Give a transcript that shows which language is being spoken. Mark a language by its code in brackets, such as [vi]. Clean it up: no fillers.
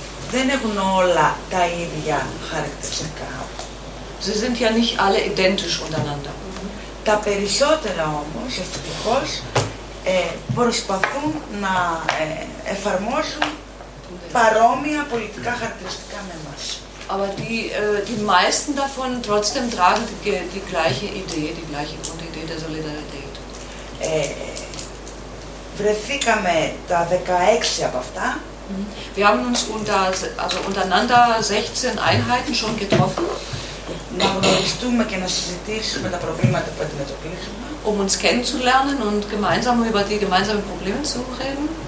[el] Δεν έχουν όλα τα ίδια χαρακτηριστικά. [de] Sie sind ja nicht alle identisch untereinander. [el] Τα περισσότερα όμως, ευτυχώς, προσπαθούν να εφαρμόσουν παρόμοια πολιτικά χαρακτηριστικά με εμάς. Αλλά [de] die meisten davon trotzdem tragen die gleiche Idee, die gleiche Grundidee der Solidarität. [el] Βρεθήκαμε τα 16 από αυτά. [de] Wir haben uns untereinander 16 Einheiten schon getroffen. [el] Να γνωριστούμε και να συζητήσουμε τα προβλήματα που αντιμετωπίζουμε. [de] Um uns kennenzulernen und gemeinsam über die gemeinsamen Probleme zu reden.